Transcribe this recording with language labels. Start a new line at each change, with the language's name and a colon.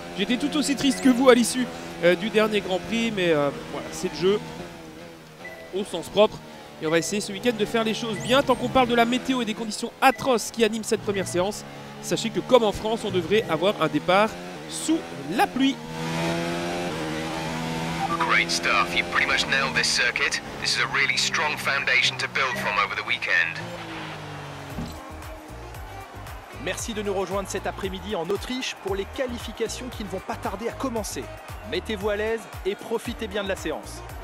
French: J'étais tout aussi triste que vous à l'issue du dernier Grand Prix. Mais voilà, c'est le jeu au sens propre. Et on va essayer ce week-end de faire les choses bien. Tant qu'on parle de la météo et des conditions atroces qui animent cette première séance, sachez que comme en France, on devrait avoir un départ sous la pluie.
English: Great stuff. You pretty much nailed this circuit. This is a really strong foundation to build from over the weekend.
French: Merci de nous rejoindre cet après-midi en Autriche pour les qualifications qui ne vont pas tarder à commencer. Mettez-vous à l'aise et profitez bien de la séance.